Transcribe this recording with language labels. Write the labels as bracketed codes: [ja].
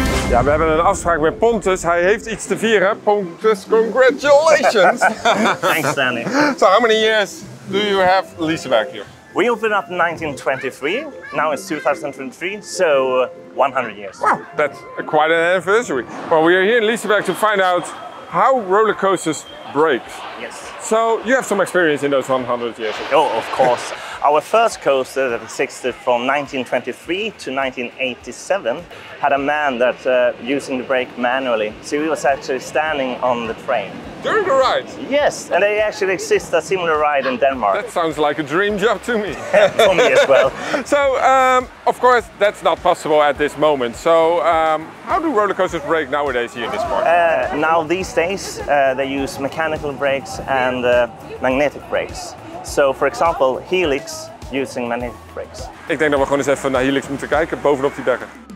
[nl] Ja, we hebben een afspraak met Pontus. Hij heeft iets te vieren. [en] Pontus, congratulations! Thanks, Danny. So, how many years do you have Liseberg here? We opened up in 1923. Now it's 2023, so 100 years. Wow, that's quite an anniversary. Well, we are here in Liseberg to find out how roller coasters break. Yes. So, you have some experience in those 100 years. Oh, of course. Our first coaster that existed from 1923 to 1987 had a man that using the brake manually. So he was actually standing on the train. During the ride? Yes, and they actually exist a similar ride in Denmark. That sounds like a dream job to me. For me as well. So, of course, that's not possible at this moment. So, how do roller coasters brake nowadays here in this park? Now, these days, they use mechanical brakes and magnetic brakes. So, for example, Helix using magnetic brakes. [nl] Ik denk dat we gewoon eens even naar Helix moeten kijken, bovenop die bergen.